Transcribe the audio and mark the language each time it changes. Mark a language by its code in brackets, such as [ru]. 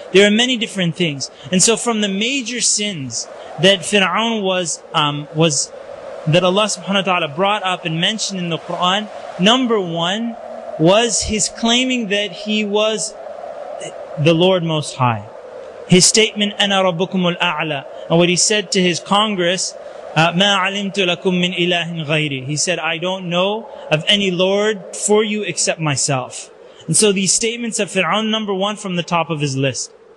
[en] There are many different things. And so from the major sins that Fir'aun was, that Allah subhanahu wa ta'ala brought up and mentioned in the Quran, number one was his claiming that he was the Lord Most High. His statement, [ar] أَنَا رَبُّكُمُ الْأَعْلَى. [en] And what he said to his Congress, [ar] مَا عَلِمْتُ لَكُمْ مِنْ إِلَٰهٍ غَيْرِي. [en] He said, I don't know of any Lord for you except myself. And so these statements of Fir'aun, number one from the top of his list.